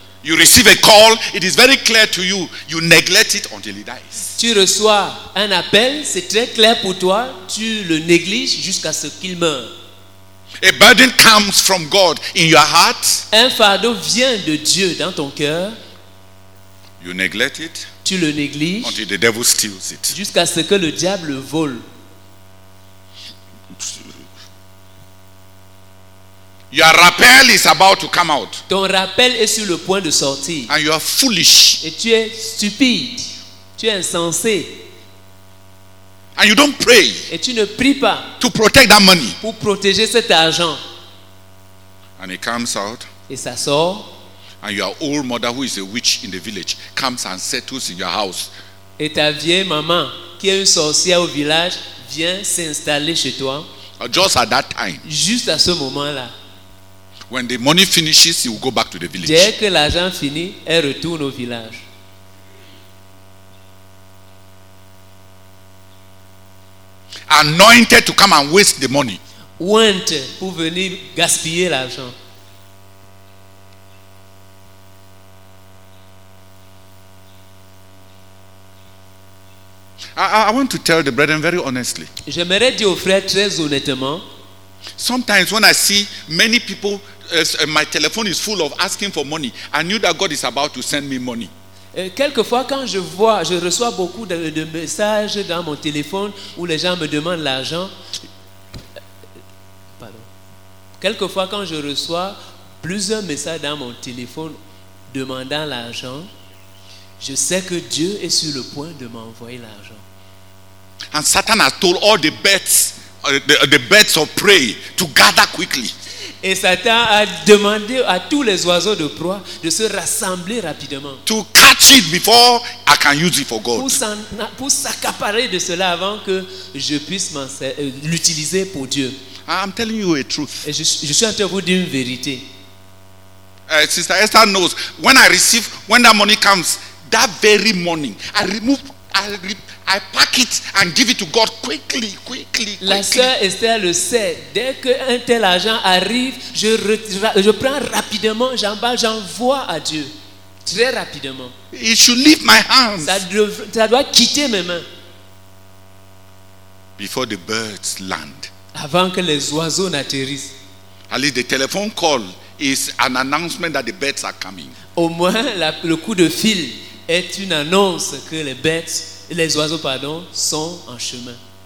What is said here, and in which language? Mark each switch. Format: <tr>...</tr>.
<en>You receive a call, it is very clear to you, you neglect it until it dies.</en> <fr>Tu reçois un appel, c'est très clair pour toi, tu le négliges jusqu'à ce qu'il meure.</fr> <en>A burden comes from God in your heart.</en> <fr>Un fardeau vient de Dieu dans ton cœur.</fr> <en>You neglect it.</en> <fr>Tu le négliges.</fr> <en>Until the devil steals it.</en> <fr>Jusqu'à ce que le diable vole.</fr> <en>Your rappel is about to come out.</en> <fr>Ton rappel est sur le point de sortir.</fr> <en>And you are foolish.</en> <fr>Et tu es stupide. Tu es insensé.</fr> <en>And you don't pray.</en> <fr>Et tu ne pries pas.</fr> <en>To protect that money.</en> <fr>Pour protéger cet argent.</fr> <en>And it comes out.</en> <fr>Et ça sort.</fr> <en>And your old mother, who is a witch in the village, comes and settles in your house.</en> <fr>Et ta vieille maman, qui est une sorcière au village, vient s'installer chez toi.</fr> <en>Just at that time.</en> <fr>Juste à ce moment-là.</fr> <en>When the money finishes, you will go back to the village.</en> <fr>Dès que l'argent finit, elle retourne au village.</fr> <en>anointed to come and waste the money.</en> <fr>Went pour venir gaspiller l'argent.</fr> <en>I want to tell the brethren very honestly.</en> <fr>J'aimerais dire aux frères très honnêtement.</fr> <en>Sometimes when I see many people, my telephone is full of asking for money. I knew that God is about to send me money.</en> <fr>Quelquefois, quand je vois, je reçois beaucoup de messages dans mon téléphone où les gens me demandent l'argent. Pardon. Quelquefois, quand je reçois plusieurs messages dans mon téléphone demandant l'argent, je sais que Dieu est sur le point de m'envoyer l'argent.</fr> <en>And Satan has told all the birds, the birds of prey, to gather quickly.</en> <fr>Et Satan a demandé à tous les oiseaux de proie de se rassembler rapidement.</fr> <en>To catch it before I can use it for God.</en> <fr>Pour s'accaparer de cela avant que je puisse l'utiliser pour Dieu.</fr> <en>I'm telling you a truth.</en> <fr>Et je suis en train de vous dire une vérité.</fr> <en>Sister Esther knows when I receive, when that money comes, that very morning, I pack it and give it to God quickly.</en> <fr>La sœur Esther le sait. Dès qu'un tel argent arrive, je prends rapidement, j'envoie à Dieu. Très rapidement.</fr> <en>It should leave my hands.</en> <fr>Ça doit quitter mes mains.</fr> <en>Before the birds land.</en> <fr>Avant que les oiseaux n'atterrissent.</fr> <en>At least the telephone call is an announcement that the birds are coming.</en> <fr>Au moins, le coup de fil est une annonce que les oiseaux sont en chemin.</fr>